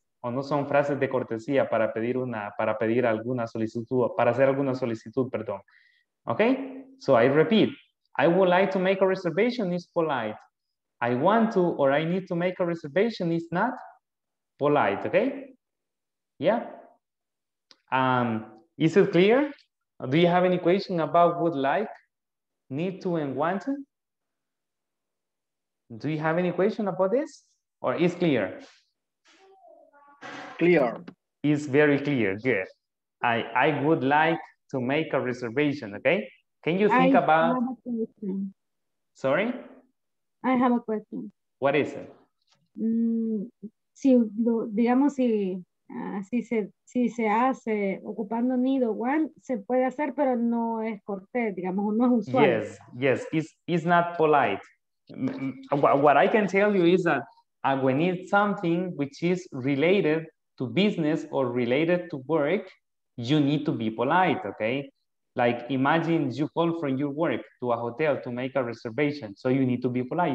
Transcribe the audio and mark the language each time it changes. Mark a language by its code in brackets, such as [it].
[es] O no son frases de cortesía para pedir una, para pedir alguna solicitud, para hacer alguna solicitud, perdón. [en] Okay? So I repeat. I would like to make a reservation is polite. I want to or I need to make a reservation is not polite. Okay? Yeah? Is it clear? Do you have any question about would like, need to, and want to? Do you have any question about this? Or is clear? Clear. It's very clear. Good. I would like to make a reservation, okay? Can you think about... I have a question. Sorry? I have a question. What is it? [es] Si, digamos, si, si se hace ocupando [en] need or want, [es] se puede hacer, pero no es cortés, digamos, no es usual. [en] Yes, yes, it's not polite. What I can tell you is that we need something which is related to business or related to work, you need to be polite, okay? Like, imagine you call from your work to a hotel to make a reservation. So you need to be polite.